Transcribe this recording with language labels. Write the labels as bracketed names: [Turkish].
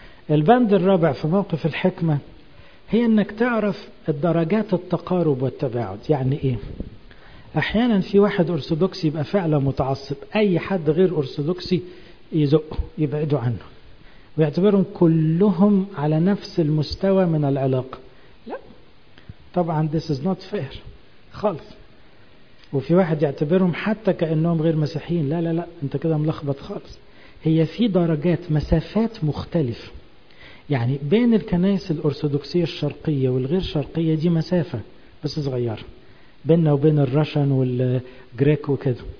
[Arabic] البند الرابع في موقف الحكمة هي انك تعرف الدرجات التقارب والتباعد. يعني ايه؟ احيانا في واحد ارثوذكسي يبقى فعلا متعصب، اي حد غير ارثوذكسي يزقه يبعدوا عنه ويعتبرهم كلهم على نفس المستوى من العلاقة. لا، طبعا [English] this is not fair [Arabic] خالص. وفي واحد يعتبرهم حتى كأنهم غير مسيحيين. لا لا لا انت كده ملخبط خالص. هي في درجات مسافات مختلفة يعني بين الكنائس الأرثوذكسية الشرقية والغير شرقية دي مسافة بس صغيرة بيننا وبين الرشن والجريك وكده.